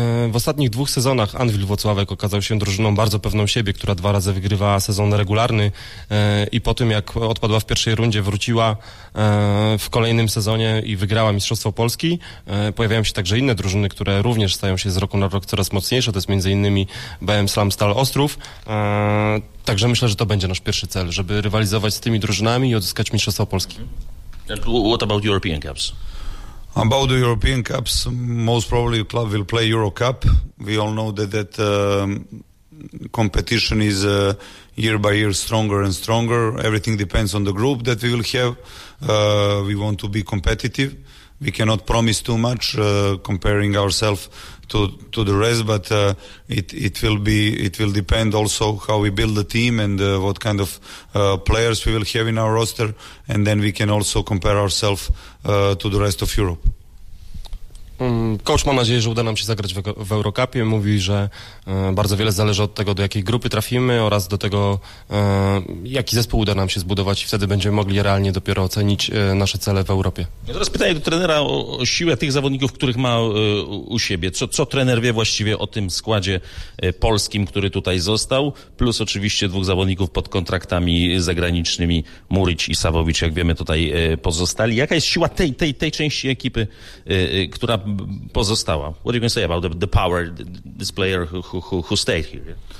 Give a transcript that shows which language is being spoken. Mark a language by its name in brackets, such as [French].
[Polish] W ostatnich dwóch sezonach Anvil Włocławek okazał się drużyną bardzo pewną siebie, która dwa razy wygrywała sezon regularny i po tym, jak odpadła w pierwszej rundzie, wróciła w kolejnym sezonie i wygrała Mistrzostwo Polski. Pojawiają się także inne drużyny, które również stają się z roku na rok coraz mocniejsze. To jest m.in. BM Slam Stal Ostrów. Także myślę, że to będzie nasz pierwszy cel, żeby rywalizować z tymi drużynami i odzyskać Mistrzostwo Polski. [English] And what about European Cups? About the European Cups, most probably the club will play Euro Cup. We all know that competition is year by year stronger and stronger. Everything depends on the group that we will have. We want to be competitive. We cannot promise too much comparing ourselves to the rest, but it will depend also how we build the team and what kind of players we will have in our roster, and then we can also compare ourselves to the rest of Europe. [Polish] Coach ma nadzieję, że uda nam się zagrać w Eurocupie. Mówi, że bardzo wiele zależy od tego, do jakiej grupy trafimy oraz do tego, jaki zespół uda nam się zbudować i wtedy będziemy mogli realnie dopiero ocenić nasze cele w Europie. Ja teraz pytanie do trenera o siłę tych zawodników, których ma u siebie. Co trener wie właściwie o tym składzie polskim, który tutaj został, plus oczywiście dwóch zawodników pod kontraktami zagranicznymi, Muric i Sawowicz, jak wiemy, tutaj pozostali. Jaka jest siła tej części ekipy, która pozostała? [English] What are you going to say about the power, this player who stayed here?